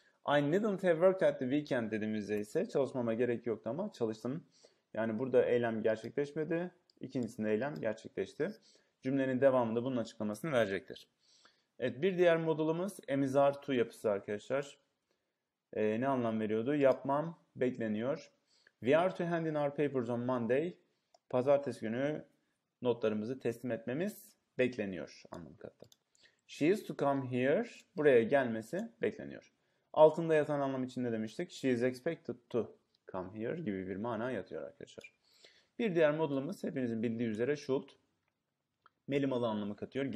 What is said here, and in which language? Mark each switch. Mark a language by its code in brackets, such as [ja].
[en] I didn't have work at the weekend [tr] dediğimizde ise çalışmama gerek yoktu ama çalıştım. Yani burada eylem gerçekleşmedi. İkincisinde eylem gerçekleşti. Cümlenin devamında bunun açıklamasını verecektir. Evet, bir diğer modulumuz am is are to yapısı arkadaşlar. Ne anlam veriyordu? Yapmam bekleniyor. [en] We are to hand in our papers on Monday. [tr] Pazartesi günü notlarımızı teslim etmemiz bekleniyor anlamı kattı. [en] She is to come here. [tr] Buraya gelmesi bekleniyor. Altında yatan anlam içinde demiştik. [en] She is expected to come here [tr] gibi bir mana yatıyor arkadaşlar. Bir diğer modulumuz hepinizin bildiği üzere should. Melimalı anlamı katıyor.